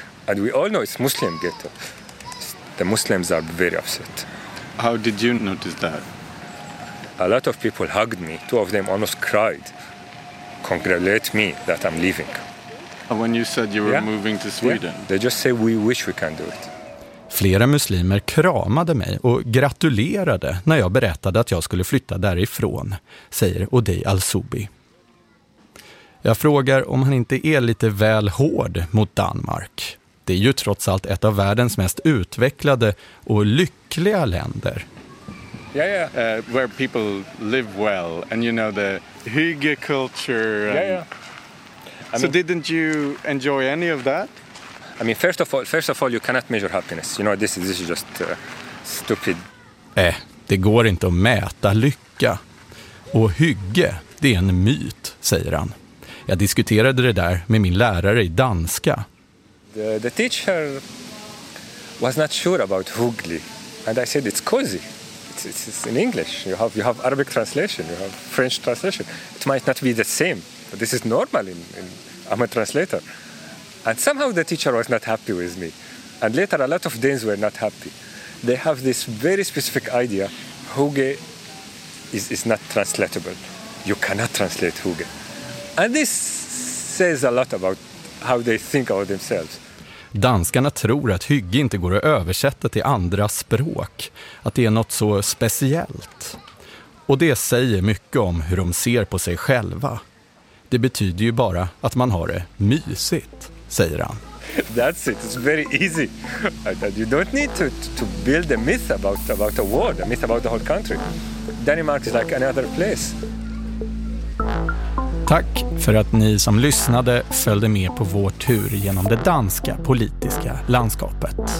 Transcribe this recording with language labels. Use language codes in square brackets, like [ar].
[en] And we all know it's Muslim ghetto. The Muslims are very upset. How did you notice that? A lot of people hugged me. 2 of them almost cried. Congratulate me that I'm leaving. When you said you were moving to Sweden. Yeah. They just say we wish we can do it. [sv] Flera muslimer kramade mig och gratulerade när jag berättade att jag skulle flytta därifrån, säger Odey al-Zoubi. Jag frågar om han inte är lite väl hård mot Danmark. Det är ju trots allt ett av världens mest utvecklade och lyckliga länder. [en] Yeah, yeah. Where people live well and you know the hygge culture. And... Yeah. I mean, so didn't you enjoy any of that? I mean, first of all, you cannot measure happiness. You know, this is just stupid. [sv] Det går inte att mäta lycka. Och hygge, det är en myt, säger han. Jag diskuterade det där med min lärare i danska. [en] The teacher was not sure about hygge, and I said it's cozy. It's in English. You have Arabic translation. You have French translation. It might not be the same. This is normal. I'm a translator. And somehow the teacher was not happy with me. And later a lot of Danes were not happy. They have this very specific idea Hugge is not translatable. You cannot translate Hugge. And this says a lot about how they think of themselves. [sv] Danskarna tror att hygge inte går att översätta till andra språk. Att det är något så speciellt. Och det säger mycket om hur de ser på sig själva. Det betyder ju bara att man har det mysigt, säger han. [en] That's it. It's very easy. You don't need to build a myth about a world, a myth about the whole country. Denmark is like another place. [sv] Tack för att ni som lyssnade följde med på vår tur genom det danska politiska landskapet.